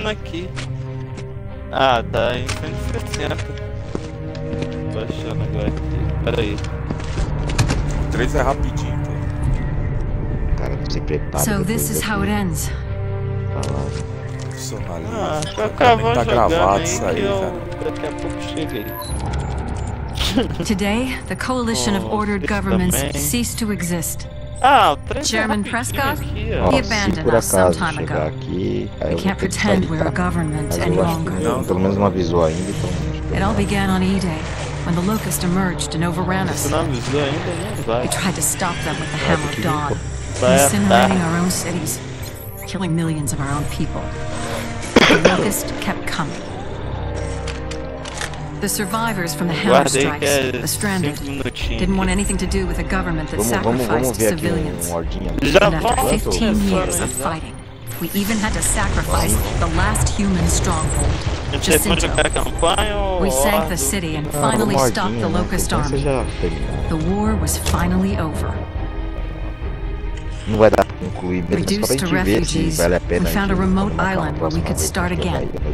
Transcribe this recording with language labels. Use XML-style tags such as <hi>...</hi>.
<pt>Tô tentando aqui. Ah, tá em 160. Baixando agora. Pera aí. O 3 é rapidinho, pô. Cara, não se prepara.</pt> <en>So this is how it ends.</en> <pt>Profissionalismo. Ah, tá gravando, tá gravado isso aí, cara. Daqui a pouco cheguei.</pt> <en>Today, the coalition of ordered governments ceased to exist.</en> <pt>Ah, o 3 é rapidinho aqui, ó. Se por acaso chegar aqui, aí eu vou ter que sair, tá? Mas eu acho que pelo menos não avisou ainda, então...</pt> <en>It all began on E-Day. When the locust emerged and overran us, we tried to stop them with the Hammer of Dawn, incinerating our own cities, killing millions of our own people. The locust kept coming. The survivors from the Hammer strikes, the stranded, didn't want anything to do with a government that sacrificed civilians. And after 15 years of fighting, we even had to sacrifice the last human stronghold. We sank the city and finally stopped the locust army. The war was finally over.</en> <pt>Não vai dar pra concluir mesmo, reduced só pra gente ver se vale a pena.</pt> <en>We found a remote island where we could start again.</en>